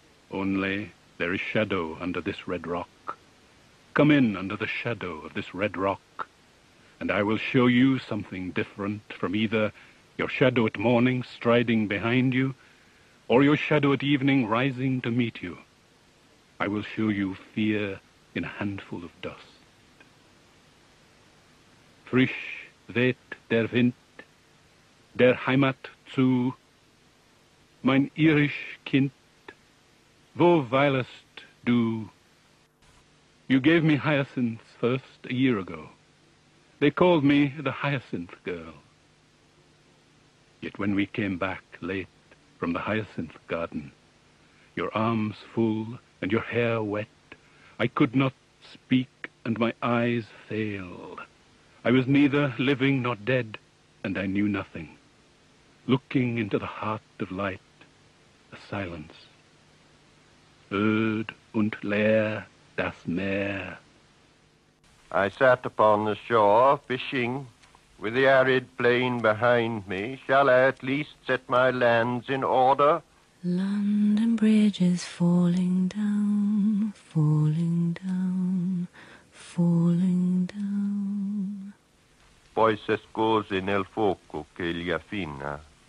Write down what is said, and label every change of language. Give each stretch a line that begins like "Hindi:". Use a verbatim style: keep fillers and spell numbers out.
English: Only there is shadow under this red rock. Come in under the shadow of this red rock, and I will show you something different from either your shadow at morning striding behind you, or your shadow at evening rising to meet you. I will show you fear in a handful of dust.
German: Frisch weht der Wind, der Heimat zu, mein irisch Kind, wo weilest du?
English: You gave me hyacinths first a year ago. They called me the hyacinth girl. Yet when we came back late from the hyacinth garden, your arms full and your hair wet, I could not speak and my eyes failed. I was neither living nor dead, and I knew nothing. Looking into the heart of light, the silence.
German: Öd und leer das Meer.
English: I sat upon the shore, fishing, with the arid plain behind me. Shall I at least set my lands in order? London Bridge is falling down, falling down, falling down.
Italian: Poi se scose nel fuoco che gli affina.